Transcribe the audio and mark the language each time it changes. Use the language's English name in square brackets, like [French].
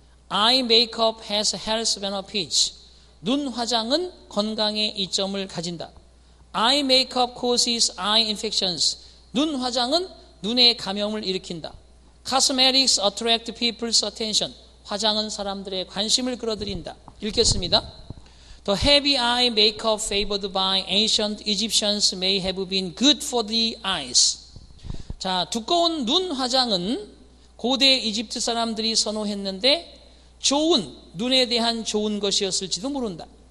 [English] Eye makeup has health benefits. [Korean] 눈 화장은 건강의 이점을 가진다. [English] Eye makeup causes eye infections. [Korean] 눈 화장은 눈에 감염을 일으킨다. [English] Cosmetics attract people's attention. [Korean] 화장은 사람들의 관심을 끌어들인다. 읽겠습니다. [English] The heavy eye makeup favored by ancient Egyptians may have been good for the eyes. [Korean] 자, 두꺼운 눈 화장은 고대 이집트 사람들이 선호했는데 좋은, 눈에 대한 좋은 것이었을지도 모른다.